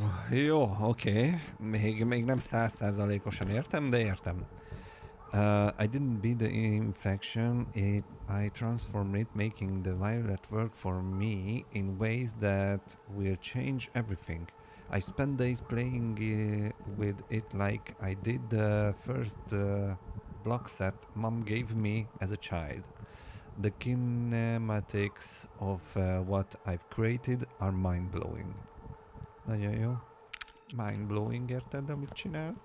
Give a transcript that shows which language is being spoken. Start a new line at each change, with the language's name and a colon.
Hungarian: Jó, oké. Még nem 100%-osan értem, de értem.
English: I didn't beat the infection. I transformed it, making the violet work for me in ways that will change everything. I spent days playing with it like I did the first block set mom gave me as a child. The kinematics of what I've created are mind-blowing.
Hungarian: Nagyon jó. Mind-blowing, érted, amit csinált?